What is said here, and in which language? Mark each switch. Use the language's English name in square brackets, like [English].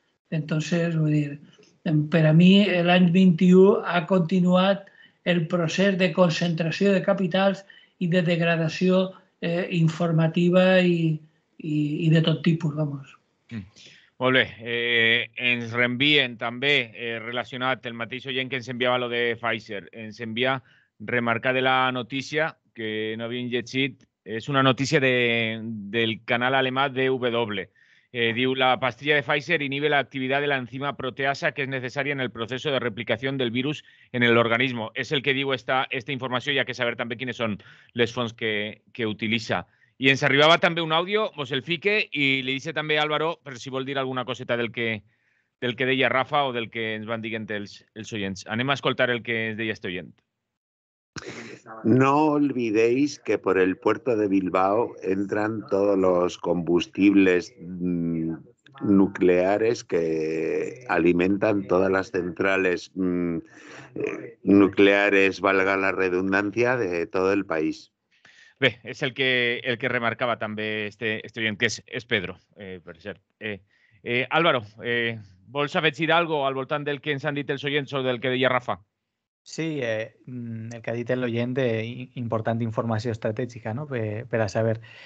[Catalan] Entonces, vull dir, per a mi l'any 21 ha continuat el procés de concentració de capitals i de degradació informativa i de tot tipus, vamos. Molt bé. Ens reenvien també, relacionat, el mateix oient que ens enviava lo de Pfizer, ens envia remarcar de la notícia que no havíem llegit. És una notícia del canal alemà DW. [Spanish] Diu, la pastilla de Pfizer inhibe la actividad de la enzima proteasa que es necesaria en el proceso de replicación del virus en el organismo. [Catalan] És el que diu esta informació, ja que saber també quines són les fonts que utilitza. I ens arribava també un àudio, vos el fique, i li dice també Álvaro, per si vol dir alguna coseta del que deia Rafa o del que ens van dient els oients. Anem a escoltar el que ens deia este oient. [Spanish] No olvidéis que por el puerto de Bilbao entran todos los combustibles nucleares que alimentan todas las centrales nucleares, valga la redundancia, de todo el país. [Catalan] Bé, és el que remarcava també este oient, que és Pedro, per cert. Álvaro, vols afegir algo al voltant del que ens han dit els oients o del que deia Rafa? Sí, el que ha dit l'oient, important informació estratègica, no? per a saber.